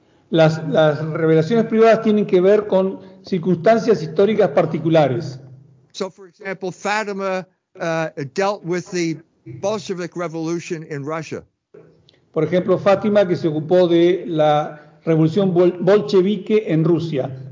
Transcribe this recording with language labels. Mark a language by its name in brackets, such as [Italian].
[Spanish] Las revelaciones privadas tienen que ver con circunstancias históricas particulares. [English] So for example, Fatima dealt with the Bolshevik revolution in Russia. [Spanish] Por ejemplo, Fátima, que se ocupó de la revolución bolchevique en Rusia.